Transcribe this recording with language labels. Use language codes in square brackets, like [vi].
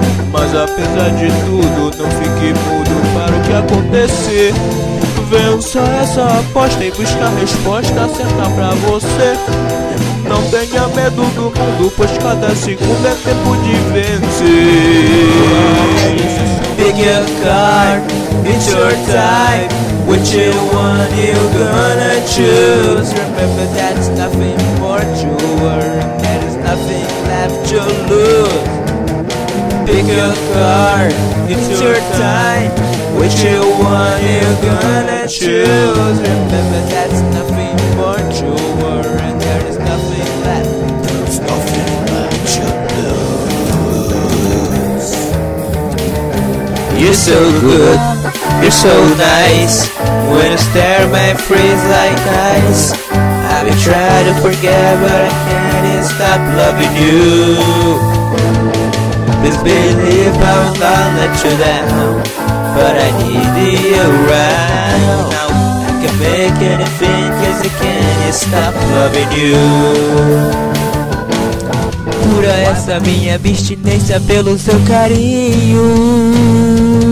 [pt] Mas apesar de tudo, não fique mudo para o que acontecer. Vença essa aposta e busca a resposta certa pra você. Não tenha medo do mundo, pois cada segundo é tempo de vencer. [en] Pick your card, it's your time. Which one you gonna choose? Remember that's nothing for sure. There is nothing left to lose. Pick your card, it's your time. Which one you gonna choose? Remember that's nothing for sure. And there is nothing left. There's nothing left to lose. You're so good, you're so nice. When you stare, my freeze like ice. I've been trying to forget, but I can't stop loving you. Please believe I'm gonna let you down, but I need you around. Now I can make anything, cause I can't stop loving you. [pt] Cura essa minha abstinência pelo seu carinho.